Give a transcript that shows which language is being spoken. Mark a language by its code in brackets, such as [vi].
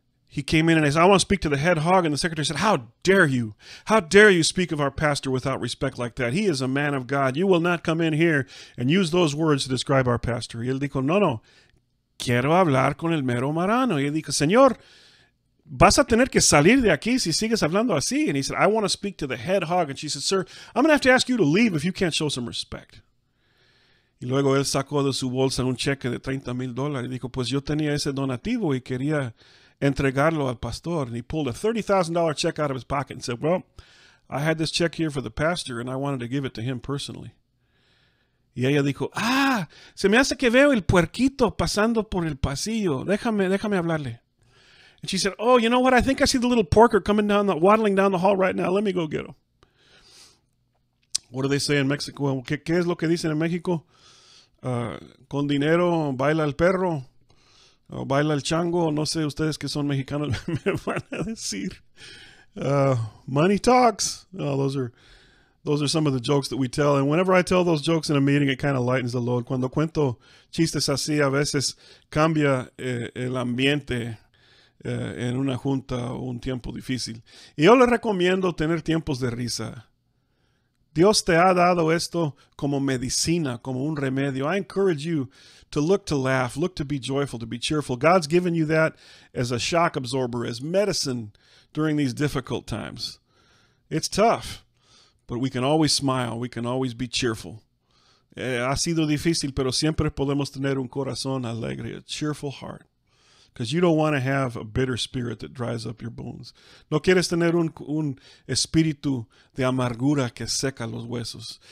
[en] He came in and said, I want to speak to the head hog. And the secretary said, how dare you? How dare you speak of our pastor without respect like that? He is a man of God. You will not come in here and use those words to describe our pastor. [es] Y él dijo, no. Quiero hablar con el mero marrano. Y él dijo, Señor, vas a tener que salir de aquí si sigues hablando así. [en] And he said, I want to speak to the head hog. And she said, sir, I'm going to have to ask you to leave if you can't show some respect. [es] Y luego él sacó de su bolsa un cheque de $30,000. Y dijo, pues yo tenía ese donativo y quería entregarlo al pastor. [en] And he pulled a $30,000 check out of his pocket and said, well, I had this check here for the pastor and I wanted to give it to him personally. [es] Y ella dijo, ah, se me hace que veo el puerquito pasando por el pasillo. Déjame hablarle. [en] And she said, oh, you know what? I think I see the little porker coming down, waddling down the hall right now. Let me go get him. What do they say in Mexico? [es] ¿Qué es lo que dicen en México? Con dinero baila el perro. O baila el chango. No sé ustedes que son mexicanos me van a decir. [en] Money talks. Oh, those are some of the jokes that we tell. And whenever I tell those jokes in a meeting, it kind of lightens the load. [es] Cuando cuento chistes así, a veces cambia el ambiente en una junta o un tiempo difícil. Y yo les recomiendo tener tiempos de risa. Dios te ha dado esto como medicina, como un remedio. [en] I encourage you to look to laugh, look to be joyful, to be cheerful. God's given you that as a shock absorber, as medicine during these difficult times. It's tough, but we can always smile. We can always be cheerful. [es] Ha sido difícil, pero siempre podemos tener un corazón alegre, [en] a cheerful heart. Because you don't want to have a bitter spirit that dries up your bones. [es] No quieres tener un espíritu de amargura que seca los huesos.